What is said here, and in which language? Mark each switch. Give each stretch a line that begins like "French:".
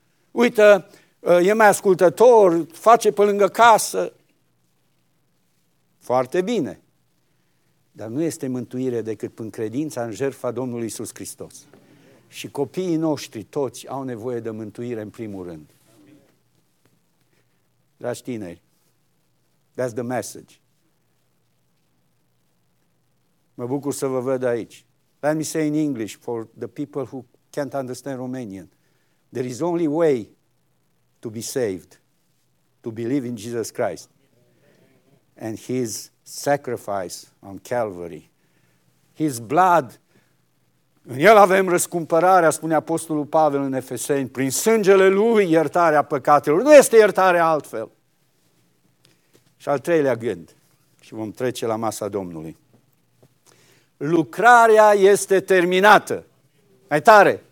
Romanian: Uite, e mai ascultător, face pe lângă casă. Foarte bine. Dar nu este mântuire decât prin credința în jertfa Domnului Iisus Hristos. Și copiii noștri toți au nevoie de mântuire în primul rând. Dragi tineri,
English: that's the message.
Romanian: Mă bucur să vă văd aici.
English: Let me say in English for the people who can't understand Romanian. There is only way to be saved, to believe in Jesus Christ and His sacrifice on Calvary. His blood,
Romanian: în El avem răscumpărarea, spune Apostolul Pavel în Efeseni, prin sângele Lui iertarea păcatelor. Nu este iertare altfel. Și al treilea gând, și vom trece la masa Domnului. Lucrarea este terminată. Mai tare!